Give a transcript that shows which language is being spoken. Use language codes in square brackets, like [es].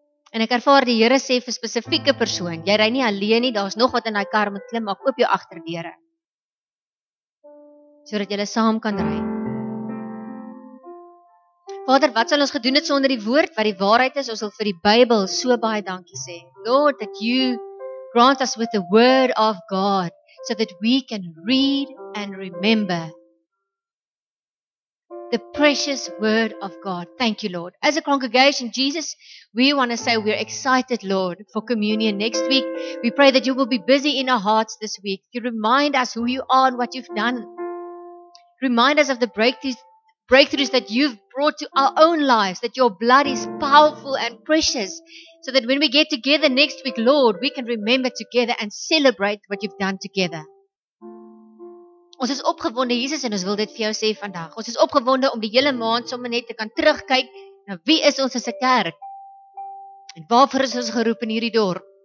[af] En ek ervaar die Here sê vir spesifieke persoon, jy ry nie alleen nie, daar is nog wat in die kar moet klim, maak oop jou agterdeure. Sodat julle saam kan ry. Vader, wat sal ons gedoen het sonder die woord, wat die waarheid is, ons wil vir die Bybel so baie dankie sê. [en] Lord, that you grant us with the word of God, so that we can read and remember the precious word of God. Thank you, Lord. As a congregation, Jesus, we want to say we're excited, Lord, for communion next week. We pray that you will be busy in our hearts this week. You remind us who you are and what you've done. Remind us of the breakthroughs that you've brought to our own lives, that your blood is powerful and precious, so that when we get together next week, Lord, we can remember together and celebrate what you've done together. [af] Ons is opgewonde, Jesus, en ons wil dit vir jou sê vandag. Ons is opgewonde om die hele maand sommer net te kan terugkyk na wie is ons as 'n kerk. En waarvoor is ons geroep in hierdie dorp?